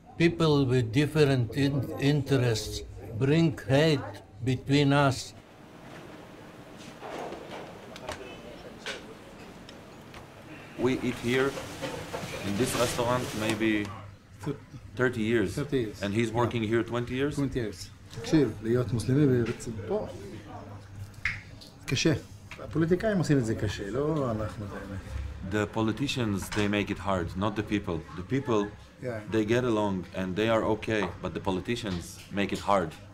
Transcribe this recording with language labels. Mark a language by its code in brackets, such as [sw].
[en] People with different interests bring hate between us. We eat here in this restaurant maybe 30 years. 30 years. And he's working here 20 years? 20 years. [he] תקשיב, להיות מוסלמי ורצה פה, קשה. הפוליטיקאים עושים את זה קשה, לא אנחנו באמת. [en] The politicians, they make it hard, not the people. The people, they get along and they are okay, but the politicians make it hard.